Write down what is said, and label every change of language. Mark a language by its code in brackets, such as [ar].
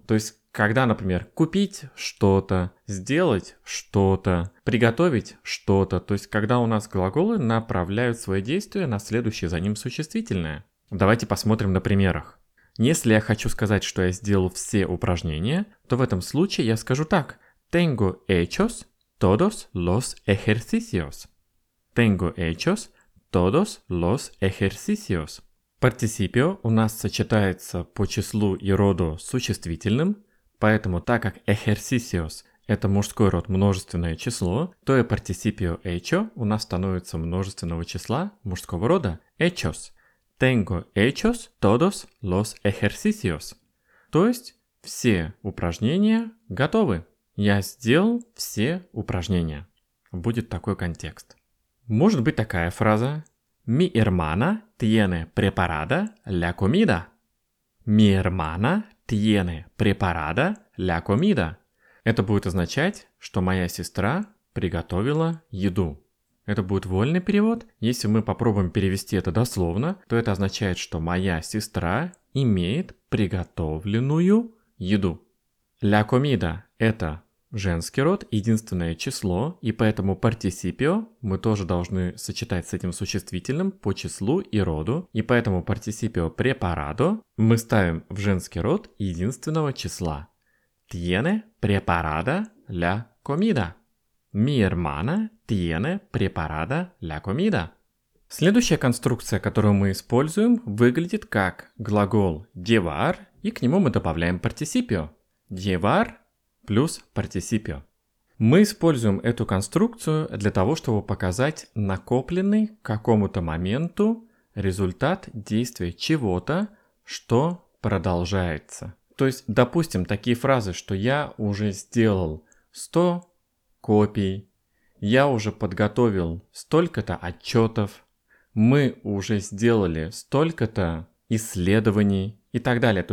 [ru] То есть когда, например, купить что-то, сделать что-то, приготовить что-то, то есть когда у нас глаголы направляют свое действие на следующее за ним существительное. Давайте посмотрим на примерах. Если я хочу сказать, что я сделал все упражнения, то в этом случае я скажу так. [es] Tengo hechos todos los ejercicios. Tengo hechos todos los ejercicios. [ru] Participio у нас сочетается по числу и роду существительным, поэтому так как ejercicios – это мужской род множественное число, то и participio hecho у нас становится множественного числа мужского рода hechos. [es] Tengo hechos todos los ejercicios. [ru] То есть, все упражнения готовы. Я сделал все упражнения. Будет такой контекст. Может быть такая фраза. [es] Mi hermana tiene preparada la comida. Mi hermana tiene preparada la comida. [ru] Это будет означать, что моя сестра приготовила еду. Это будет вольный перевод. Если мы попробуем перевести это дословно, то это означает, что моя сестра имеет приготовленную еду. La comida – это женский род, единственное число, и поэтому participio мы тоже должны сочетать с этим существительным по числу и роду, и поэтому participio preparado мы ставим в женский род единственного числа. [es] Tiene preparada la comida. Mi hermana tiene preparada la comida. [ru] Следующая конструкция, которую мы используем, выглядит как глагол llevar, и к нему мы добавляем participio. [es] Llevar плюс participio. [ru] Мы используем эту конструкцию для того, чтобы показать накопленный к какому-то моменту результат действия чего-то, что продолжается. То есть, допустим, такие фразы, что я уже сделал 100 копий, я уже подготовил столько-то отчетов, мы уже сделали столько-то исследований и так далее.